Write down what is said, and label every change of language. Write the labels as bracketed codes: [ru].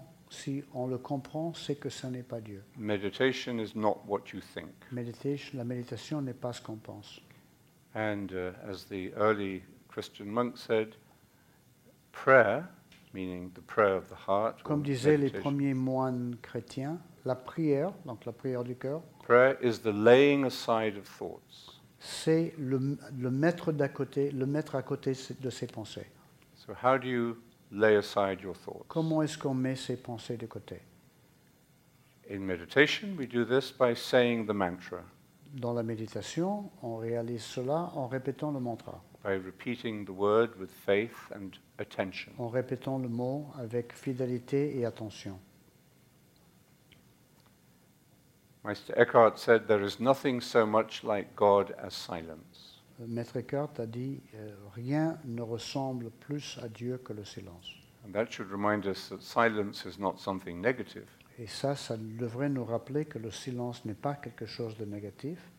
[fr] Si on le comprend, c'est que ça n'est pas Dieu. [en] Meditation is not what you think. [fr] La méditation n'est pas ce qu'on pense. [en] And as the early Christian monk said, prayer, meaning the prayer of the heart. [fr] Comme disaient les premiers moines chrétiens, la prière, donc la prière du cœur. [en] Prayer is the laying aside of thoughts. [fr] C'est le mettre d'à côté, le mettre à côté de ses pensées. [en] So how do you lay aside your thoughts? [fr] Comment est-ce qu'on met ses pensées de côté? [en] In meditation, we do this by saying the mantra. [fr] Dans la méditation, on réalise cela en répétant le mantra. [en] By repeating the word with faith and attention. [fr] En répétant le mot avec fidélité et attention. [en] Meister Eckhart said there is nothing so much like God as silence. [fr] Maître Eckhart a dit rien ne ressemble plus à Dieu que le silence. [en] And that should remind us that silence is not something negative. [fr] Et ça devrait nous rappeler que le silence n'est pas quelque chose de négatif.